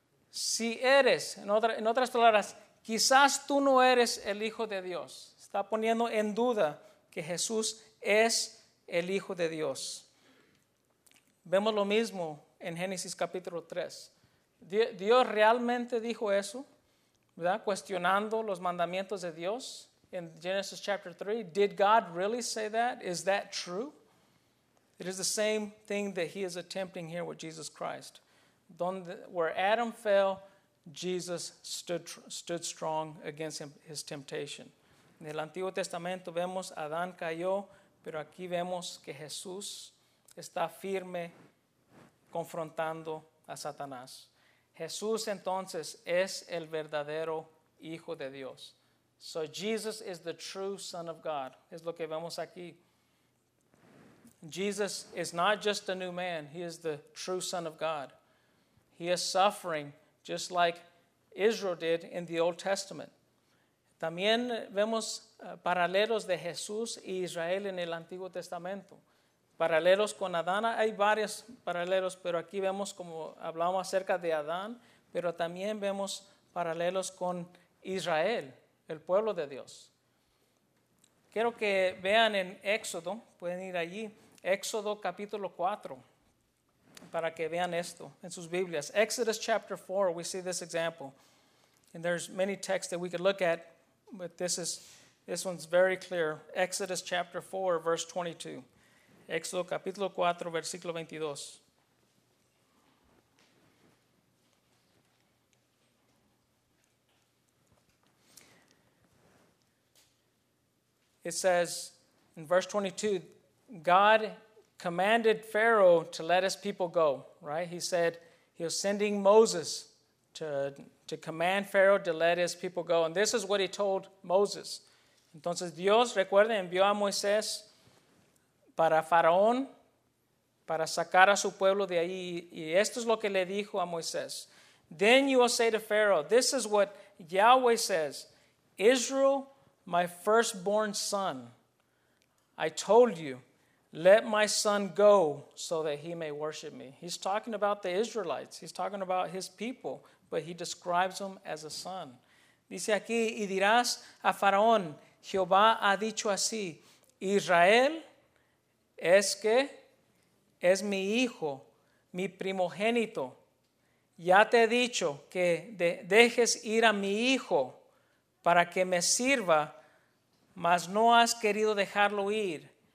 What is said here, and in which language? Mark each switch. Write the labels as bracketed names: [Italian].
[Spanish] Si eres, en otras palabras, quizás tú no eres el Hijo de Dios. Está poniendo en duda que Jesús es el Hijo de Dios. Vemos lo mismo en Génesis capítulo 3. Dios realmente dijo eso, ¿verdad? Cuestionando los mandamientos de Dios. [English] In Genesis chapter 3, did God really say that? Is that true? It is the same thing that he is attempting here with Jesus Christ. Where Adam fell, Jesus stood strong against his temptation. [Spanish] En el Antiguo Testamento vemos Adán cayó, pero aquí vemos que Jesús está firme confrontando a Satanás. Jesús entonces es el verdadero Hijo de Dios. [English] So Jesus is the true Son of God. [Spanish] Es lo que vemos aquí. [English] Jesus is not just a new man. He is the true Son of God. He is suffering just like Israel did in the Old Testament. [Spanish] También vemos paralelos de Jesús y Israel en el Antiguo Testamento. Paralelos con Adán. Hay varios paralelos, pero aquí vemos como hablamos acerca de Adán, pero también vemos paralelos con Israel, el pueblo de Dios. Quiero que vean en Éxodo, pueden ir allí, Éxodo capítulo 4, para que vean esto en sus Biblias. [English] Exodus chapter 4, we see this example. And there's many texts that we could look at, but this one's very clear. Exodus chapter 4, verse 22. [Spanish] Éxodo capítulo 4, versículo 22. [English] It says in verse 22, God commanded Pharaoh to let his people go, right? He said he was sending Moses to command Pharaoh to let his people go. And this is what he told Moses. [Spanish] Entonces Dios, recuerden, envió a Moisés para Faraón, para sacar a su pueblo de ahí. Y esto es lo que le dijo a Moisés. [English] Then you will say to Pharaoh, this is what Yahweh says, Israel, my firstborn son, I told you, let my son go so that he may worship me. He's talking about the Israelites. He's talking about his people, but he describes them as a son. [Spanish] Dice aquí, y dirás a Faraón, Jehová ha dicho así, Israel es que es mi hijo, mi primogénito. Ya te he dicho que dejes ir a mi hijo para que me sirva, mas no has querido dejarlo ir.